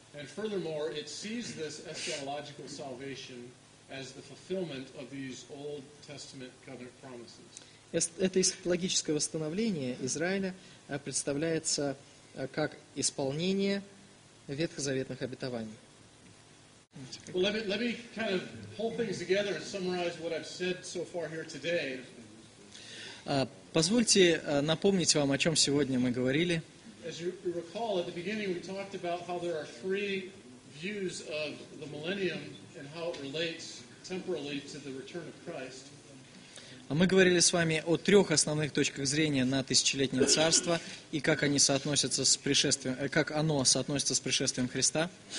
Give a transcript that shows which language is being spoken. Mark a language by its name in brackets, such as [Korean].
[Russian] Это эсхатологическое восстановление Израиля представляется как исполнение ветхозаветных обетований. [English] Well, let me kind of pull things together and summarize what I've said so far here today. [Russian] Позвольте напомнить вам, о чем сегодня мы говорили. [English] As you recall, at the beginning we talked about how there are three views of the millennium and how it relates temporally to the return of Christ. [Russian] Мы говорили с вами о трех основных точках зрения на тысячелетнее царство и как они соотносятся с пришествием, как оно соотносится с пришествием Христа.